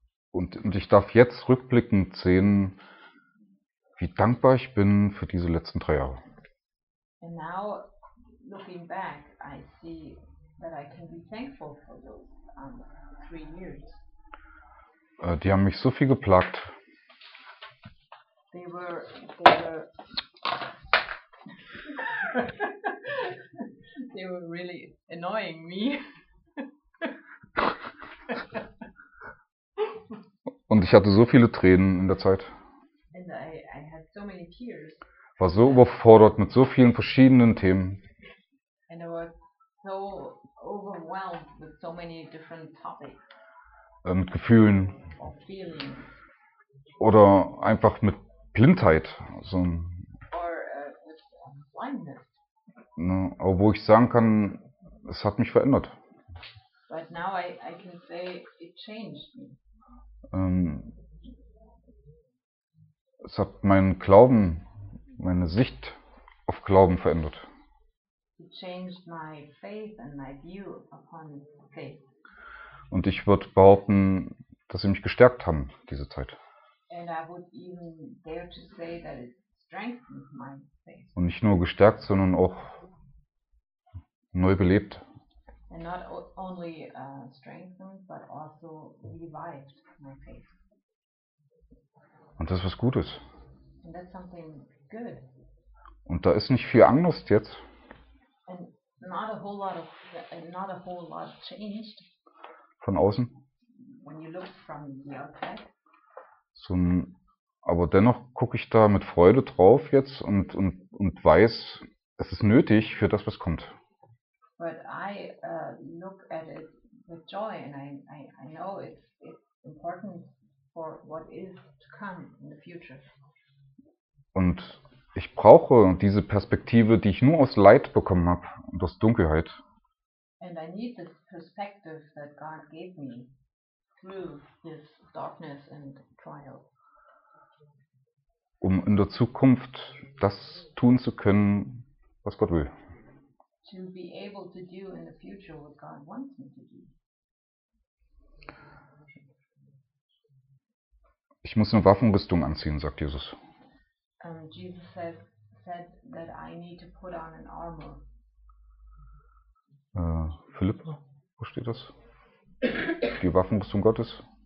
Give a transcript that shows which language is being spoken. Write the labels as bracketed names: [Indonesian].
[German] Und ich darf jetzt rückblickend sehen, wie dankbar ich bin für diese letzten 3 Jahre. [English] And now, looking back, I see that I can be thankful for those 3 years. [German] Die haben mich so viel geplagt. [English] They were they were really annoying me. [German] Und ich hatte so viele Tränen in der Zeit. [English] And I had so many tears. [German] War so überfordert mit so vielen verschiedenen Themen. [English] And I was so overwhelmed with so many different topics. [German] Mit Gefühlen. [English] Or feelings. [German] Oder einfach mit Blindheit. So ein, [English] or with blindness. [German] Ne, obwohl ich sagen kann, es hat mich verändert. [English] But now I can say it changed me. [German] Es hat meinen Glauben, meine Sicht auf Glauben verändert. [English] It changed my faith and my view upon faith. [German] Und ich würde behaupten, dass sie mich gestärkt haben, diese Zeit. [English] And I would even dare to say that it strengthened my faith. [German] Und nicht nur gestärkt, sondern auch neu belebt. [English] And not only strengthened, but also revived. [German] Und das ist was Gutes. [English] And that's something good. [German] Und da ist nicht viel anders jetzt. [English] And not a whole lot changed. [German] Von außen. [English] When you look from the outside. [German] So, aber dennoch gucke ich da mit Freude drauf jetzt und weiß, es ist nötig für das, was kommt. [English] But I look at it with joy and I know it's important for what is to come in the future. [German] Und ich brauche diese Perspektive, die ich nur aus Leid bekommen habe und aus Dunkelheit. [English] And I need this perspective that God gave me through his darkness and trial. [German] Um in der Zukunft das tun zu können, was Gott will. [English] To be able to do in the future what God wants me to do. [German] Ich muss eine Waffenrüstung anziehen, sagt Jesus. [English] Jesus said that I need to put on an armor. [German] Philippa, wo steht das? Die Waffenrüstung Gottes?